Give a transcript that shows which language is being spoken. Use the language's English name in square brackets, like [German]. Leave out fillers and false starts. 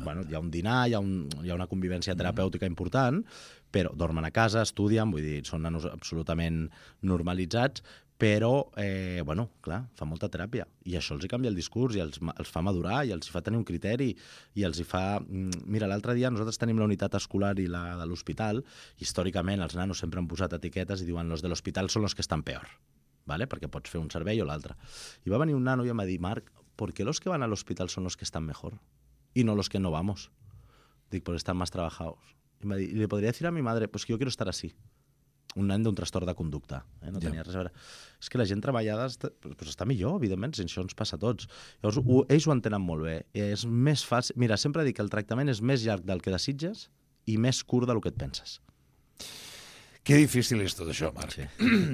[Catalan] Bueno, hi ha un dinar, hi ha una convivència terapèutica important, però dormen a casa, estudien, vull dir, són nanos absolutament normalitzats, però, bueno, clar, fa molta teràpia. I això els hi canvia el discurs i els fa madurar i els fa tenir un criteri i els hi fa... Mira, l'altre dia nosaltres tenim la unitat escolar i la de l'hospital. Històricament, els nanos sempre han posat etiquetes i diuen los de l'hospital són los que estan peor, ¿vale? Perquè pots fer un servei o l'altre. I va venir un nano i em va dir, [Spanish] Marc, ¿por qué los que van a l'hospital són los que estan mejor y no los que no vamos? Dic, pues están más trabajados. [Catalan] I em va dir, [Spanish] ¿le podría decir a mi madre? Pues que yo quiero estar así. [Catalan] Un nen d'un trastorn de conducta. No tenia res a veure. És que la gent treballada està millor, evidentment, si això ens passa a tots. Llavors, ells ho entenen molt bé. És més fàcil... Mira, sempre dic que el tractament és més llarg del que desitges i més curt del que et penses. Que difícil és tot això, Marc. Sí.